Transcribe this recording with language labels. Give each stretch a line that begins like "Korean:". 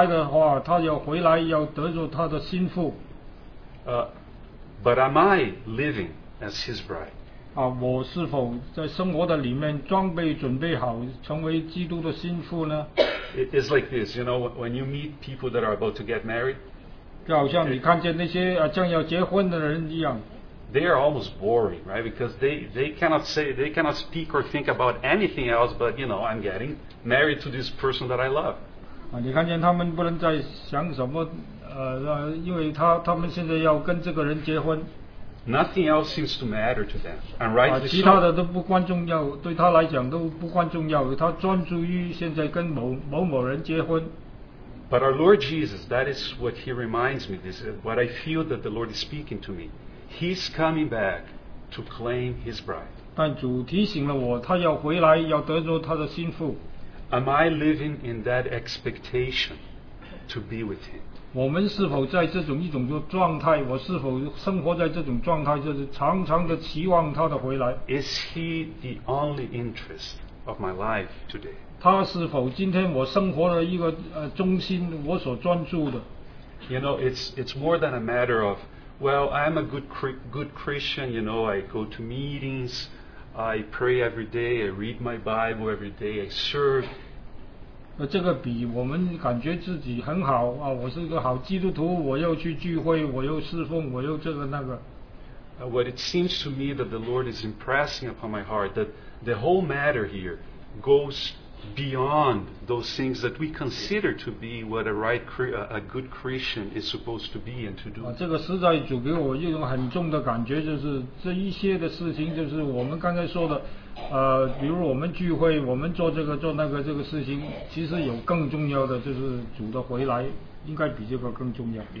Chinese: 我常常被提醒里面这样子，有一个感觉，就是当主回来的话，他要回来要得着他的心腹。
English: But am I living as His bride?
Chinese: 我是否在生活的里面装备准备好成为基督的心腹呢？
English: It's like this, you know, when you meet people that are about to get married,
Chinese: 就好像你看见那些将要结婚的人一样。
English: They are almost boring, right? Because they cannot speak or think about anything else but, you know, I'm getting married to this person that I love.
Chinese: 你看见他们不能再想什么，因为他们现在要跟这个人结婚。
English: Nothing else seems to matter to them, and rightly so.
Chinese: 其他的都不关重要，对他来讲都不关重要，他专注于现在跟某某人结婚。
English: But our Lord Jesus, that is what He reminds me, this is what I feel that the Lord is speaking to me. He's coming back to claim His bride.
Chinese: 但主提醒了我，他要回来，要得着他的心腹。
English: Am I living in that expectation to be with Him?
Chinese: 我们是否在这种一种的状态，我是否生活在这种状态，就是常常的期望他的回来。
English: Is he the only interest of my life today?
Chinese: 他是否今天我生活的一个中心，我所专注的。
English: You know, it's more than a matter of, well, I'm a good Christian, you know, I go to meetings, I pray every day, I read my Bible every day, I serve.
Chinese: 这个比我们感觉自己很好啊，我是个好基督徒，我又去聚会，我又侍奉，我又这个那个。
English: What it seems to me that the Lord is impressing upon my heart that the whole matter here goes beyond those things that we consider to be what a good Christian is supposed to be and to do.
Chinese: 这个实在主给我一种很重的感觉，就是这一些的事情，就是我们刚才说的。比如我们聚会，我们做这个做那个这个事情，其实有更重要的，就是主的回来，应该比这个更重要。